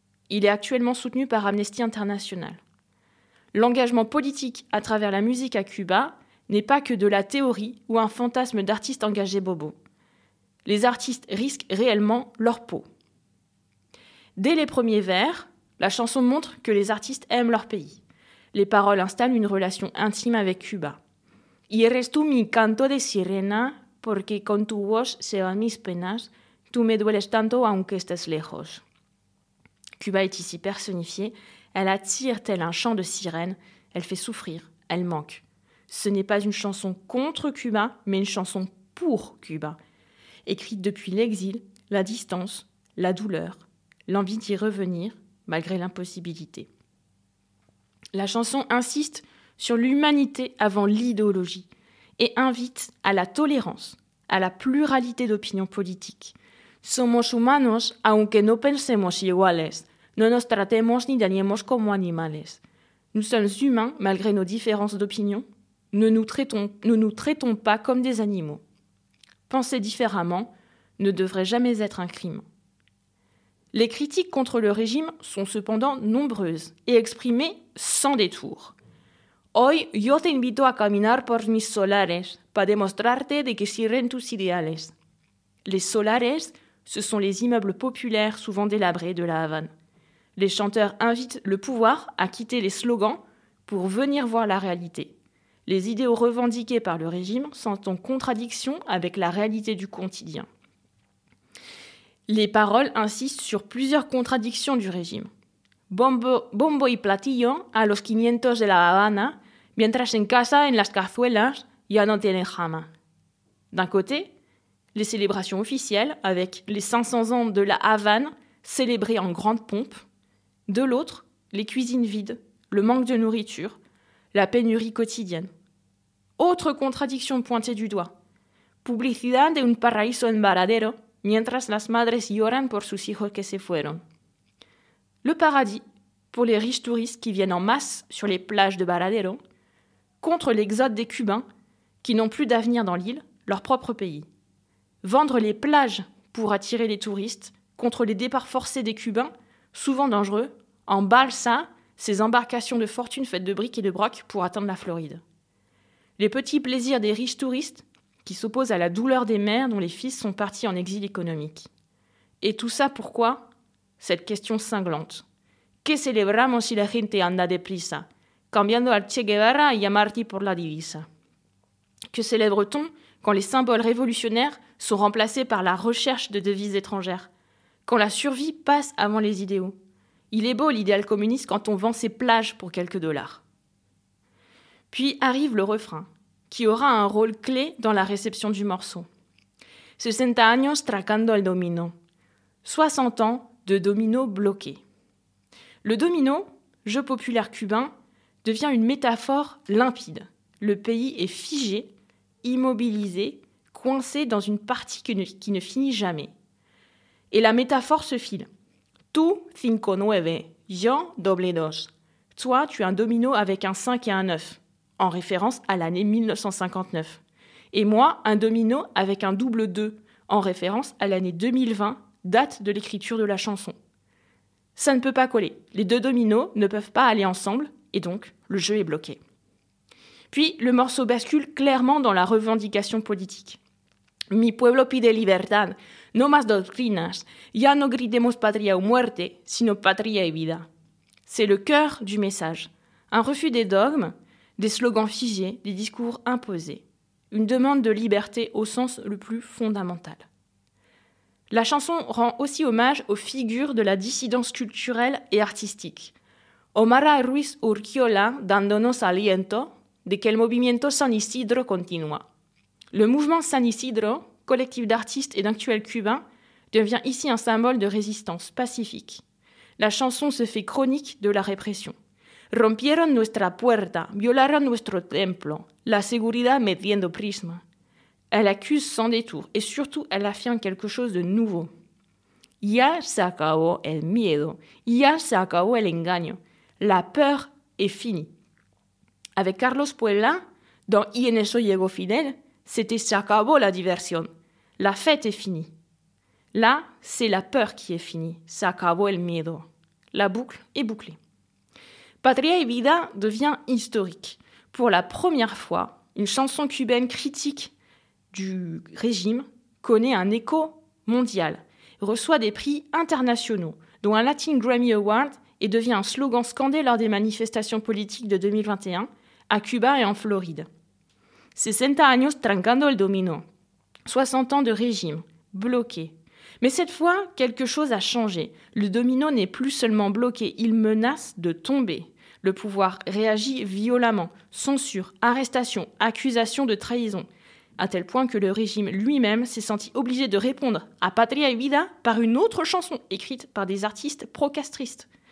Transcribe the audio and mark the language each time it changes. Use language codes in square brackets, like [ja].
[fr] Il est actuellement soutenu par Amnesty International. L'engagement politique à travers la musique à Cuba n'est pas que de la théorie ou un fantasme d'artiste engagé bobo. Les artistes risquent réellement leur peau. Dès les premiers vers, la chanson montre que les artistes aiment leur pays. Les paroles installent une relation intime avec Cuba. [es] Y eres tú mi canto de sirena, porque con tu voz se van mis penas, tú me dueles tanto aunque estés lejos. [fr] Cuba est ici personnifié. Elle attire tel un chant de sirène, elle fait souffrir, elle manque. Ce n'est pas une chanson contre Cuba, mais une chanson pour Cuba. Écrite depuis l'exil, la distance, la douleur, l'envie d'y revenir, malgré l'impossibilité. La chanson insiste sur l'humanité avant l'idéologie et invite à la tolérance, à la pluralité d'opinions politiques. [es] Somos humanos, aunque no pensemos iguales. No nos tratemos ni daniemos como animales. [fr] Nous sommes humains malgré nos différences d'opinion. Ne nous traitons pas comme des animaux. Penser différemment ne devrait jamais être un crime. Les critiques contre le régime sont cependant nombreuses et exprimées sans détour. [es] Hoy yo te invito a caminar por mis solares para demostrarte de que sirven tus ideales. [fr] Les solares, ce sont les immeubles populaires souvent délabrés de La Havane. Les chanteurs invitent le pouvoir à quitter les slogans pour venir voir la réalité. les idéaux revendiqués par le régime sont en contradiction avec la réalité du quotidien. Les paroles insistent sur plusieurs contradictions du régime. [es] Bombo y platillo a los 500 de la Habana, mientras en casa, en las cazuelas, ya no tienen jamás. [fr] D'un côté, les célébrations officielles avec les 500 ans de la Havane célébrés en grande pompe. De l'autre, les cuisines vides, le manque de nourriture, la pénurie quotidienne. Autre contradiction pointée du doigt. [es] Publicidad de un paraíso en Varadero, mientras las madres lloran por sus hijos que se fueron. [fr] Le paradis, pour les riches touristes qui viennent en masse sur les plages de Varadero, contre l'exode des Cubains, qui n'ont plus d'avenir dans l'île, leur propre pays. Vendre les plages pour attirer les touristes, contre les départs forcés des Cubains, souvent dangereux, en balsa, ces embarcations de fortune faites de briques et de broc pour atteindre la Floride. Les petits plaisirs des riches touristes, qui s'opposent à la douleur des mères dont les fils sont partis en exil économique. Et tout ça pourquoi ? Cette question cinglante. [es] ¿Qué celebramos si la gente anda deprisa, cambiando al Che Guevara y a Martí por la divisa? [fr] Que célèbre-t-on quand les symboles révolutionnaires sont remplacés par la recherche de devises étrangères, quand la survie passe avant les idéaux? Il est beau l'idéal communiste quand on vend ses plages pour quelques dollars. Puis arrive le refrain, qui aura un rôle clé dans la réception du morceau. [es] 60 años tracando el domino. [fr] 60 ans de domino bloqué. Le domino, jeu populaire cubain, devient une métaphore limpide. Le pays est figé, immobilisé, coincé dans une partie qui ne finit jamais. Et la métaphore se file. [es] Tú, 5-9, yo, doble dos. [fr] Toi, tu es un domino avec un 5 et un 9, en référence à l'année 1959. Et moi, un domino avec un double 2, en référence à l'année 2020, date de l'écriture de la chanson. Ça ne peut pas coller. Les deux dominos ne peuvent pas aller ensemble, et donc le jeu est bloqué. Puis, le morceau bascule clairement dans la revendication politique. [es] Mi pueblo pide libertad, no más doctrinas, ya no gritemos patria o muerte, sino patria y vida. [fr] C'est le cœur du message. Un refus des dogmes, des slogans figés, des discours imposés. Une demande de liberté au sens le plus fondamental. La chanson rend aussi hommage aux figures de la dissidence culturelle et artistique. [es] Omara Ruiz Urquiola, dándonos aliento, de que el movimiento San Isidro continúa. [fr] Le mouvement San Isidro, collectif d'artistes et d'actuels cubains, devient ici un symbole de résistance pacifique. La chanson se fait chronique de la répression. [es] Rompieron nuestra puerta, violaron nuestro templo, la seguridad metiendo prisma. [fr] Elle accuse sans détour et surtout elle affirme quelque chose de nouveau. [es] Ya se acabó el miedo, ya se acabó el engaño. [fr] La peur est finie. Avec Carlos Puebla, dans Y en eso llegó Fidel, c'était [es] se acabó la diversión. [fr] La fête est finie. Là, c'est la peur qui est finie. [es] Se acabó el miedo. [fr] La boucle est bouclée. Patria y vida devient historique. Pour la première fois, une chanson cubaine critique du régime connaît un écho mondial, reçoit des prix internationaux, dont un Latin Grammy Award, et devient un slogan scandé lors des manifestations politiques de 2021 à Cuba et en Floride. [es] 60 años trancando el domino. [fr] 60 ans de régime, bloqué. Mais cette fois, quelque chose a changé. Le domino n'est plus seulement bloqué, il menace de tomber. Le pouvoir réagit violemment, censure, arrestation, accusation de trahison. À tel point que le régime lui-même s'est senti obligé de répondre à Patria y Vida par une autre chanson écrite par des artistes pro-castristes.